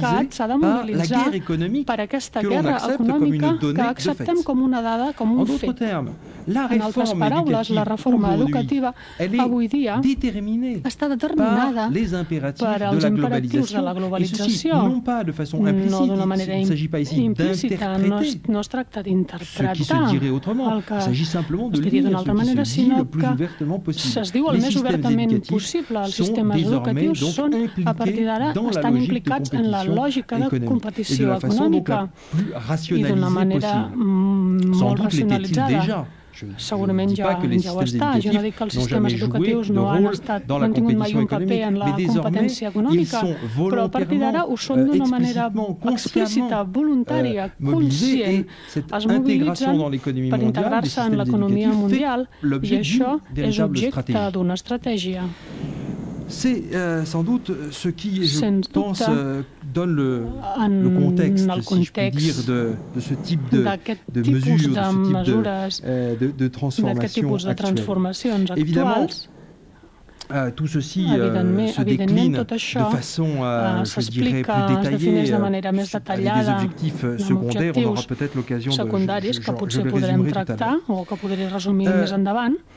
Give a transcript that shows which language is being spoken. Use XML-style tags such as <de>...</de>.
<fr>par la guerre économique que l'on accepte comme une donnée de fait. En d'autres termes, la réforme éducative aujourd'hui est déterminée par les impératifs de la globalisation, et ceci, non pas de façon implicite,</fr> <ca>no d'una manera implícita, no es tracta d'interpretar el que es diria d'una altra manera, sinó que es diu el més obertament possible. Els sistemes educatius són, a partir d'ara, estan implicats en la lògica de competició econòmica i d'una manera molt racionalitzada. Segurament ja ho està. Jo no dic que els sistemes educatius no han estat, no han tingut mai un paper en la competència econòmica, però a partir d'ara ho són d'una manera explícita, voluntària, conscient. Es mobilitzen per integrar-se en l'economia mundial i això és objecte d'una estratègia.</ca> <fr>C'est sans doute ce qui, je pense, donne le contexte, si je puis dire, de ce type de mesures, de ce type de transformation actuelle. Évidemment, tout ceci se décline de façon, je dirais, plus détaillée, avec des objectifs secondaires. On aura peut-être l'occasion de le résumer tout à l'heure.</fr> <ca>O que podré resumir més endavant.</ca>